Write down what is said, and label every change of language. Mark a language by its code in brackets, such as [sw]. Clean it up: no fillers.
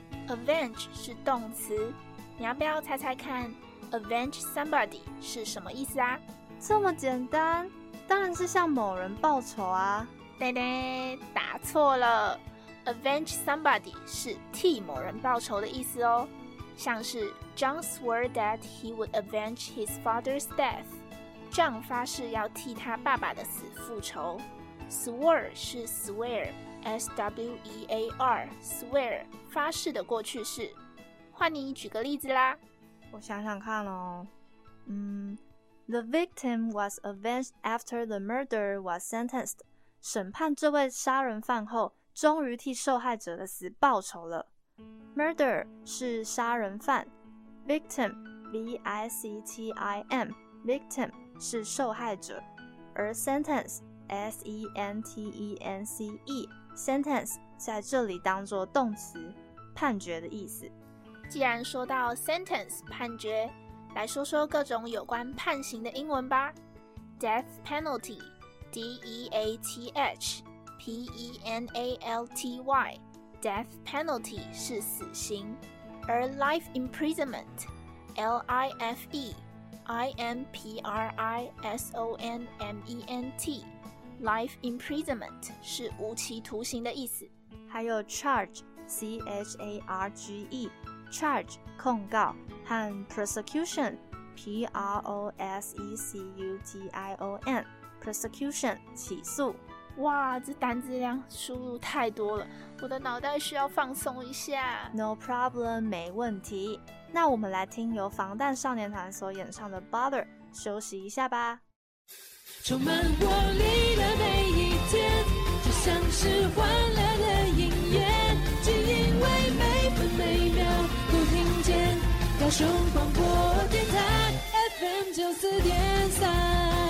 [zh] Avenge 是动词，你要不要猜猜看 [en] Avenge somebody [zh] 是什么意思啊？这么简单，当然是向某人报仇啊。噔噔，答错了。 [en] Avenge somebody [zh] 是替某人报仇的意思哦。 [en] 像是 John swore that he would avenge his father's death， [zh] John 发誓要替他爸爸的死复仇。 [en] Swore 是 swear S-W-E-A-R swear [zh] 发誓的过去式。换你举个例子啦。我想想看哦。 [en] The victim was avenged after the murderer was sentenced， [zh] 审判这位杀人犯后终于替受害者的死报仇了。 [en] Murder 是杀人犯， Victim V-I-C-T-I-M Victim 是受害者，而 Sentence S-E-N-T-E-N-C-E Sentence 在这里当作动词，判决的意思。 [zh] 既然说到 Sentence 判决，来说说各种有关判刑的英文吧。 [en] Death Penalty D-E-A-T-H P-E-N-A-L-T-Y Death penalty [zh] 是死刑，而 [en] life imprisonment L-I-F-E I-M-P-R-I-S-O-N-M-E-N-T life imprisonment [zh] 是无期徒刑的意思。还有 [en] charge C-H-A-R-G-E charge [zh] 控告，和 [en] prosecution P-R-O-S-E-C-U-T-I-O-N prosecution [zh] 起诉。哇，这单字量输入太多了，我的脑袋需要放松一下。 No problem，没问题。那我们来听由防弹少年团所演唱的 Bother， 休息一下吧。充满活力的每一天就像是欢乐的音乐，只因为每分每秒都听见高雄广播电台 FM94.3。